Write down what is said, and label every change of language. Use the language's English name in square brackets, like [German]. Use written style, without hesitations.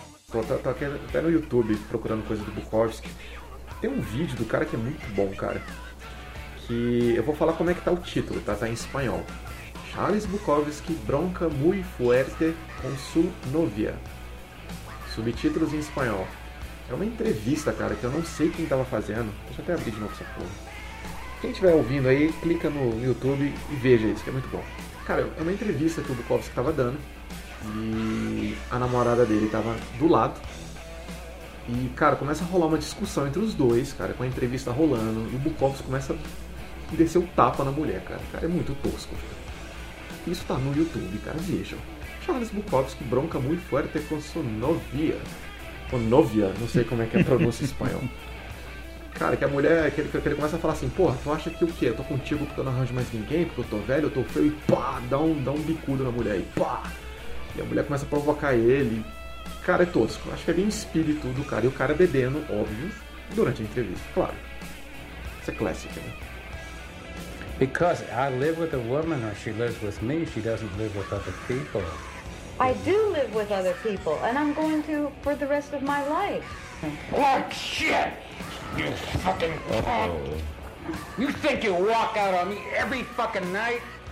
[Portuguese] Tô até no YouTube procurando coisa do Bukowski. Tem um vídeo do cara que é muito bom, cara. Que eu vou falar como é que tá o título, tá? Tá em espanhol. [Spanish] Charles Bukowski bronca muy fuerte con su novia. [Portuguese] Subtítulos em espanhol. É uma entrevista, cara, que eu não sei quem tava fazendo. Deixa eu até abrir de novo essa porra. Quem estiver ouvindo aí, clica no YouTube e veja isso, que é muito bom. Cara, é uma entrevista que o Bukowski tava dando. E a namorada dele tava do lado. E, cara, começa a rolar uma discussão entre os dois, cara, com a entrevista rolando. E o Bukowski começa a descer um tapa na mulher, cara. Cara, é muito tosco. Isso tá no YouTube, cara, vejam. Charles Bukowski bronca muito forte com sua novia. Ou novia, não sei como é que é a pronúncia em espanhol. Cara, que a mulher, que ele começa a falar assim, porra, tu acha que o quê? Eu tô contigo porque eu não arranjo mais ninguém, porque eu tô velho, eu tô feio, e pá, dá um bicudo na mulher, e pá. E a mulher começa a provocar ele. Cara, é tosco, acho que é bem o espírito do cara. E o cara bebendo, óbvio, durante a entrevista, claro. Isso é clássico, né? [English] Because I live with a woman, or she lives with me, she doesn't live with other people. I do live with other people, and I'm going to for the rest of my life. Oh, shit! You fucking cunt! You think you walk out on me every fucking night?